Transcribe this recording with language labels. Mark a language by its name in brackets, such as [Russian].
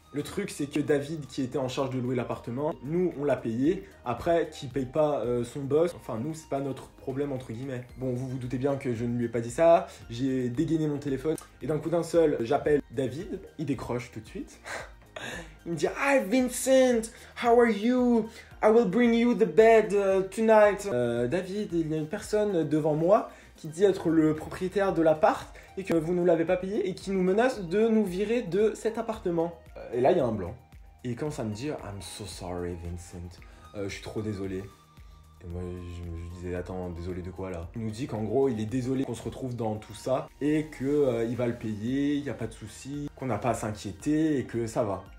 [French] Le truc, c'est que David, qui était en charge de louer l'appartement, nous, on l'a payé. Après, qu'il paye pas son boss, enfin, nous, c'est pas notre problème, entre guillemets. Bon, vous vous doutez bien que je ne lui ai pas dit ça. J'ai dégainé mon téléphone. Et d'un coup d'un seul, j'appelle David. Il décroche tout de suite. [English] Il me dit, hi Vincent, how are you? I will bring you the bed tonight. [French] David, il y a une personne devant moi qui dit être le propriétaire de l'appart et que vous ne l'avez pas payé et qui nous menace de nous virer de cet appartement. Et là, il y a un blanc. Et il commence à me dire, [English] I'm so sorry Vincent, [French] je suis trop désolé. Et moi, je disais, attends, désolé de quoi là? Il nous dit qu'en gros, il est désolé qu'on se retrouve dans tout ça et qu'il va le payer, il n'y a pas de souci, qu'on n'a pas à s'inquiéter et que ça va.